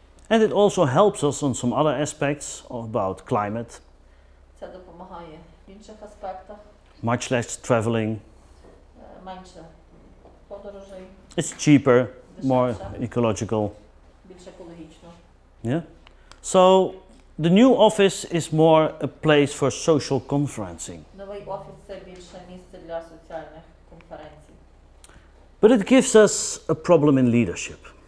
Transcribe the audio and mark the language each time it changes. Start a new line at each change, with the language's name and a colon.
English: And it also helps us on some other aspects about climate.
Ukrainian: Це допомагає в інших аспектах.
English: Much less traveling.
Ukrainian: Менше подорожей.
English: It's cheaper,
Ukrainian: дешевше,
English: more ecological.
Ukrainian: Більш екологічно.
English: Yeah. So the new office is more a place for social conferencing.
Ukrainian: Новий офіс це більше місце для соціальних.
English: But it gives us a problem in leadership.